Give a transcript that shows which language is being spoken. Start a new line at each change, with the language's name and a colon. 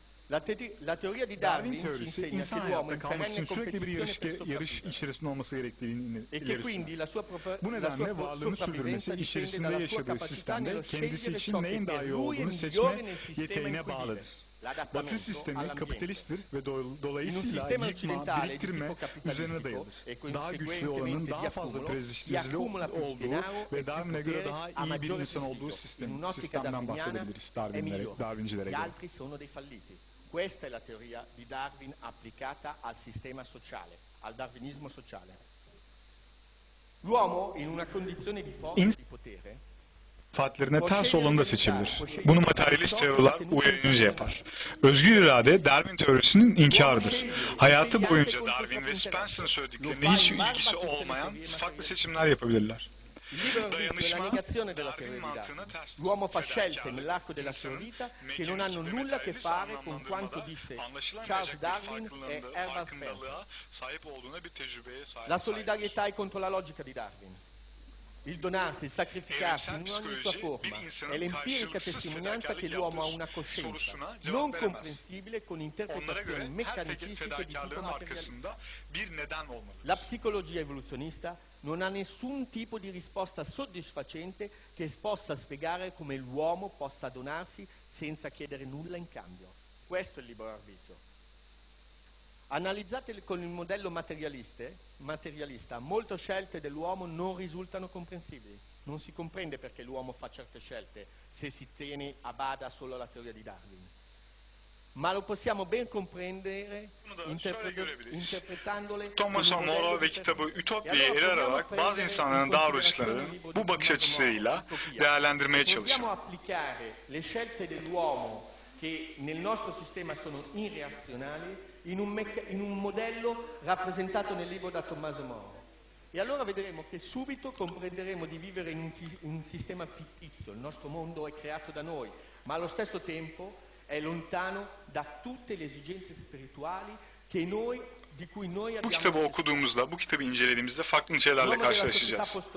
Italian: La teoria di Darwin ci insegna che l'uomo è in perenne competizione per sopravvivere e che quindi la sua sopravvivenza dipende dalla sua capacità nello scegliere ciò che per lui è migliore nel sistema in cui vive.
Turkish: Batı sistemi kapitalisttir ve dolayısıyla yıkma, biriktirme üzerine dayalır. Daha güçlü olanın daha fazla prestijli olduğu ve Darwin'e göre daha iyi bir insan olduğu sistemden bahsedebiliriz Darwincilere göre.
Italian: Questa è la teoria di Darwin applicata al sistema sociale, al darwinismo sociale. L'uomo in una condizione di forza di potere
Turkish: fatlarına ters olanı da seçebilir. Bunu materyalist teoriler uyarınca yapar. Özgür irade Darwin teorisinin inkarıdır. Hayatı boyunca Darwin ve Spencer'ın söylediklerine hiç ilgisi olmayan farklı seçimler yapabilirler. Dayanışma, Darwin mantığına ters.
Italian: L'uomo fa scelte nell'arco della sua vita che non hanno nulla a che fare con quanto disse Charles Darwin e Herbert Spencer. La solidarietà è contro la logica di Darwin. Il donarsi, il sacrificarsi in ogni sua forma è l'empirica testimonianza che l'uomo ha una coscienza non comprensibile con interpretazioni meccanicistiche di tipo materialista. La psicologia evoluzionista non ha nessun tipo di risposta soddisfacente che possa spiegare come l'uomo possa donarsi senza chiedere nulla in cambio. Questo è il libero arbitrio. Analizzate con il modello materialista, molte scelte dell'uomo non risultano comprensibili. Non si comprende perché l'uomo fa certe scelte se si tiene a bada solo la teoria di Darwin. Ma lo possiamo ben comprendere interpretandole.
Turkish: Thomas Moro ve kitabı Ütopya'yı ele alarak bazı insanların davranışlarını bu bakış açısıyla değerlendirmeye çalışıyor.
Italian: Possiamo applicare le scelte dell'uomo che nel nostro sistema sono irrazionali in un modello rappresentato nel libro da Tommaso More. E allora vedremo che subito comprenderemo di vivere in un sistema fittizio, il nostro mondo è creato da noi, ma allo stesso tempo è lontano da tutte le esigenze spirituali che noi
Turkish: Bu kitabı okuduğumuzda, bu kitabı incelediğimizde farklı şeylerle karşılaşacağız.